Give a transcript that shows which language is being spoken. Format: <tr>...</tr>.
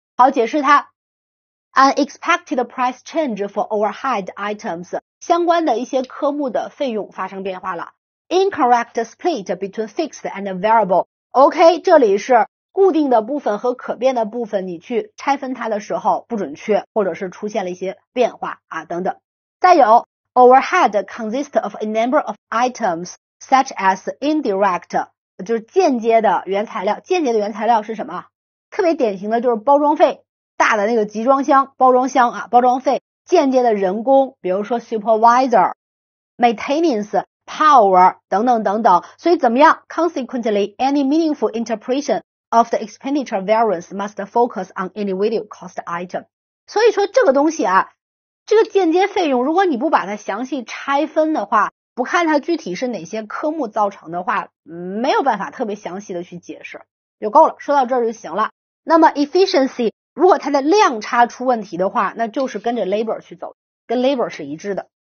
<zh>好，解释它</zh> <en>unexpected price change for overhead items，</en> <zh>相关的一些科目的费用发生变化了。</zh> <en>incorrect split between fixed and variable，</en> <zh>OK， 这里是固定的部分和可变的部分，你去拆分它的时候不准确，或者是出现了一些变化啊等等。再有</zh> <en>overhead consists of a number of items such as indirect，</en> <zh>就是间接的原材料。间接的原材料是什么？特别典型的就是包装费，大的那个集装箱包装箱啊，包装费。间接的人工，比如说 supervisor， maintenance， power 等等等等。所以怎么样？</zh> <en>consequently any meaningful interpretationof the expenditure variance must focus on individual cost item。</en> <zh>所以说这个东西啊，这个间接费用，如果你不把它详细拆分的话，不看它具体是哪些科目造成的话，没有办法特别详细的去解释，就够了，说到这儿就行了。那么 efficiency 如果它的量差出问题的话，那就是跟着 labor 去走，跟 labor 是一致的。</zh>